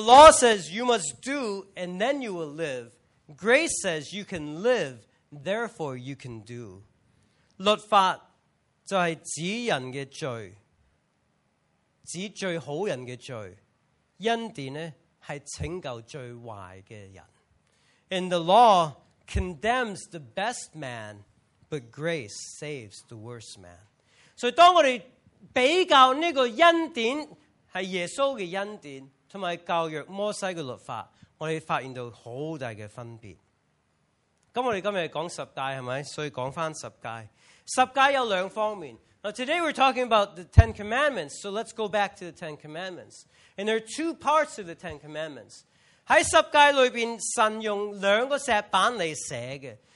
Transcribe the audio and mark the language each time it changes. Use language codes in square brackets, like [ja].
[en] law says you must do, and then you will live. Grace says you can live, therefore you can do. [zh] 律法就是指人的罪,指最好人的罪。恩典呢,是拯救最坏的人。And [en] the law condemns the best man, but grace saves the worst man. [zh] 所以当我们比较这个恩典,是耶稣的恩典,和教育摩西的律法,我们发现到很大的分别。那我们今天讲十诫,所以讲回十诫。十诫有两方面。Now [en] today we're talking about the Ten Commandments, so let's go back to the Ten Commandments. And there are two parts of the Ten Commandments. [zh] 在十诫里面,神用两个石板来写的。